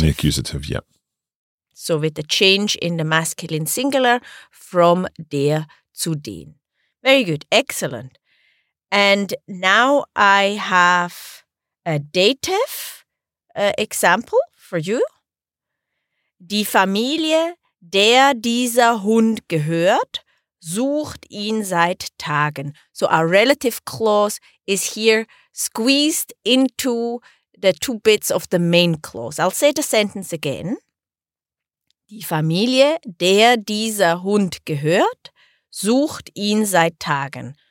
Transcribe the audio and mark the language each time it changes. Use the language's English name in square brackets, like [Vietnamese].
[English] In the accusative, yep. So with the change in the masculine singular from der zu den. Very good. Excellent. And now I have a dative example for you. [German] Die Familie, der dieser Hund gehört, sucht ihn seit Tagen. [English] So our relative clause is here squeezed into the two bits of the main clause. I'll say the sentence again. [German] Die Familie, der dieser Hund gehört, sucht ihn seit Tagen.